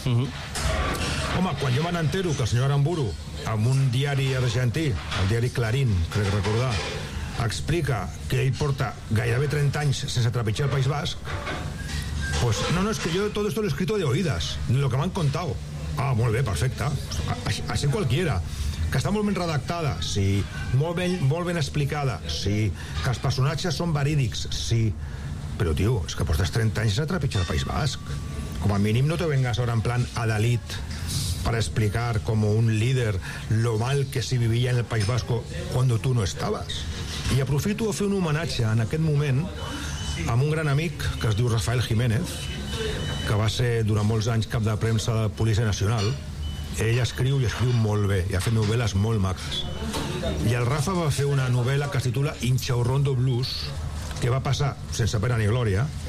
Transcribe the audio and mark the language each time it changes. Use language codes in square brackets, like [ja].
[ca] Home, quan jo me'n entero que el senyor Aramburu, amb un diari argentí, el diari Clarín, crec recordar, explica que ell porta gairebé 30 anys sense trepitjar el País Basc, pues no, és que jo tot [es] esto lo he escrito de oídas, [ca] lo que m'han contado. Ah, molt bé, perfecte. Així cualquiera. Que està molt ben redactada, sí. Molt ben explicada, sí. Que els personatges són verídics, sí. Però, tio, és que portes 30 anys sense trepitjar el País Basc. Com a mínim [es] no te vengas ahora en plan adalid para explicar como un líder lo mal que se vivía en el País Vasco cuando tú no estabas. [ca] I aprofito a fer un homenatge en aquest moment amb un gran amic que es diu Rafael Jiménez, que va ser durant molts anys cap de premsa de la Policia Nacional. Ell escriu i escriu molt bé, i ha fet novel·les molt maques. I el Rafa va fer una novel·la que es titula Inchaurrondo Blues, que va passar sense pena ni glòria.